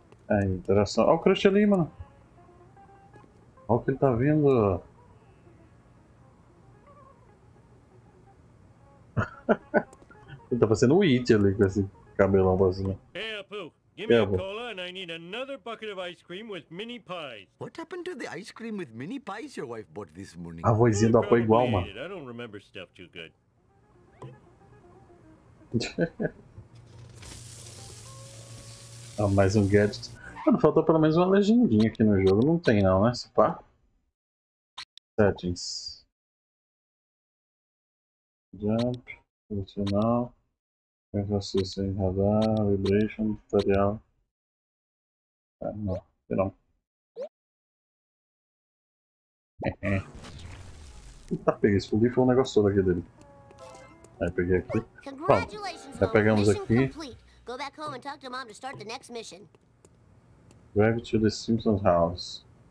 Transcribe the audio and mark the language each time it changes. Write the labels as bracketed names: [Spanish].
[Portuguese] É interessante. Olha o crush ali, mano. Olha o que ele tá vindo. Ele tá fazendo um it ali com esse cabelão pra cima. [English] Hey, Apu. Give me a cola and I need another bucket of ice cream with mini pies. What happened to the ice cream with mini pies your wife bought this morning? [Portuguese] A vozinha do Apu é igual, mano. [English] I don't remember stuff too good. [Portuguese] Ah, mais um gadget. Mano, faltou pelo menos uma legendinha aqui no jogo. Não tem não, né? Se pá. Settings. Jump. Funcional. Exercício em radar. Vibration. Tutorial. Ah, não. Não. Eita, peguei. Explodiu foi um negócio todo aqui dele. Aí, peguei aqui. Bom, já pegamos aqui. [English] Go back home and talk to mom to start the next mission. Drive to the Simpsons house.